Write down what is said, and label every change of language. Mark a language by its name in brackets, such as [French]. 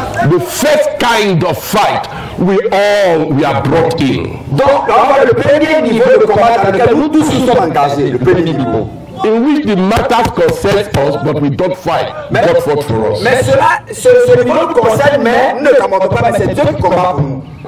[English] The first kind of fight we are brought in. [French] Donc alors le premier niveau de combat dans lequel nous tous sommes engagés, le premier niveau. [English] In which the matter concerns us, but we don't fight. Mais, God fought for us. [French] Mais cela, ce niveau nous concerne, mais ne commande pas, mais c'est Dieu qui combat pour nous.